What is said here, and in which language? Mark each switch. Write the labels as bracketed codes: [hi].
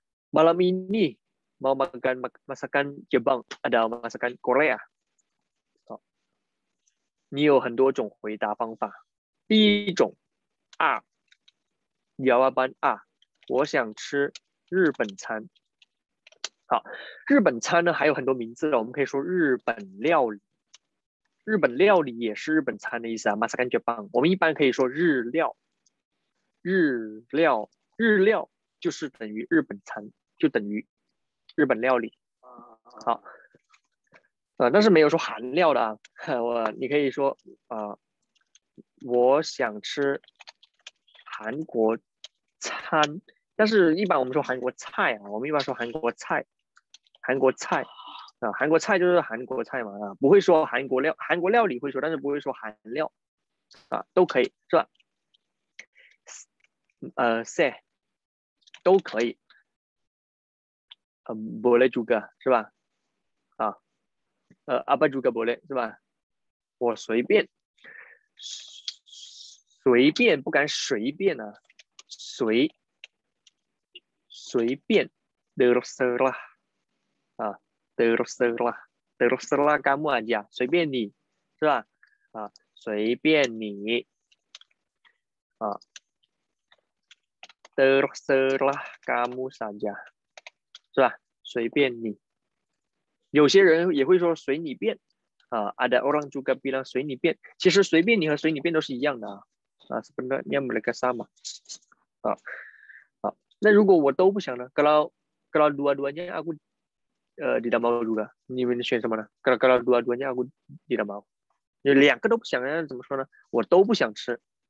[id] malam ini mau makan masakan Jepang atau masakan Korea？ [zh] 好，你有很多种回答方法。第一种啊，jawaban A， 我想吃日本餐。好，日本餐呢还有很多名字，我们可以说日本料理。日本料理也是日本餐的意思啊 ， [id] masakan Jepang。 [zh] 我们一般可以说日料。日料就是等于日本餐，就等于日本料理。好，但是没有说韩料的啊。你可以说我想吃韩国餐，但是一般我们说韩国菜啊，我们一般说韩国菜，韩国菜啊，韩国菜就是韩国菜嘛啊，不会说韩国料，韩国料理会说，但是不会说韩料啊，都可以是吧？ say 都可以， [id] boleh juga [zh] 是吧？ [id] 啊，apa juga boleh 是吧？ [zh] 我随便，随便不敢随便啊，随便 terserah 啊 [id] terserah kamu aja [zh] 随便你是吧？啊，随便你啊。 [id] Terserlah kamu saja， 是吧？ [zh] 随便你。有些人也会说随你便啊 ， [id] ada orang juga bilang [zh] 随你便。其实随便你和随你便都是一样的啊。啊 ， [id] sebenarnya mereka sama。 [zh] 啊，好，那如果我都不想呢 ？ [id] Kalau dua-duanya aku tidak mau juga， [zh] 你们选什么呢 ？ [id] Kalau dua-duanya aku tidak mau， [zh] 就两个都不想呀？怎么说呢？我都不想吃。